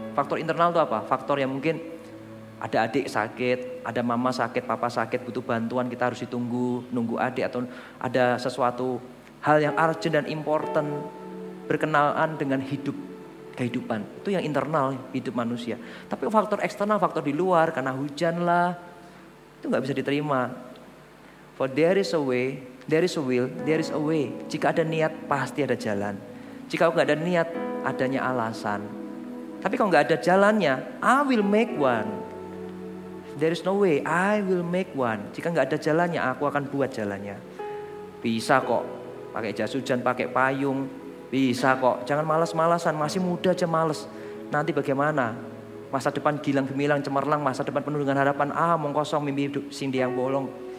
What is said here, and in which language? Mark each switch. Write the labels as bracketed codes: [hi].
[id] Faktor internal itu apa? Faktor yang mungkin ada adik sakit, ada mama sakit, papa sakit, butuh bantuan, kita harus ditunggu, nunggu adik, atau ada sesuatu hal yang urgent dan important berkenaan dengan hidup, kehidupan. Itu yang internal hidup manusia. Tapi faktor eksternal, faktor di luar, karena hujan lah, itu gak bisa diterima. [en] For there is a way, there is a will, there is a way. [id] Jika ada niat, pasti ada jalan. Jika aku gak ada niat, adanya alasan. Tapi kalau gak ada jalannya, [en] I will make one. There is no way, I will make one. [id] Jika gak ada jalannya, aku akan buat jalannya. Bisa kok, pakai jas hujan, pakai payung. Bisa kok, jangan malas-malasan, masih muda aja malas. Nanti bagaimana? Masa depan gilang gemilang cemerlang, masa depan penuh dengan harapan, omong kosong, mimpi hidup sindi yang bolong.